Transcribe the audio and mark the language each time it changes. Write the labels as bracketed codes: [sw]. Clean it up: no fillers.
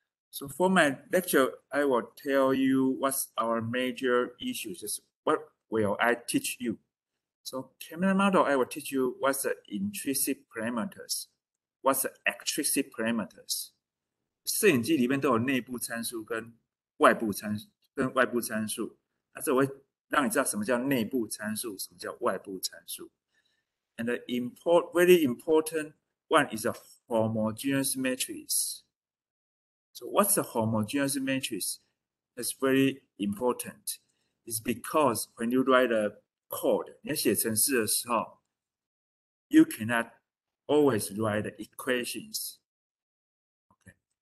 [en] So for my lecture, I will tell you what's our major issues. What will I teach you? So camera model, I will teach you what's the intrinsic parameters, what's the extrinsic parameters. [zh] 摄影机里面都有内部参数跟外部参数，那这我会让你知道什么叫内部参数，什么叫外部参数。 [en] And the very important one is a homogeneous matrix. So what's a homogeneous matrix? That's very important. It's because when you write a code, [zh] 你要写程式的时候， [en] you cannot always write equations. Okay.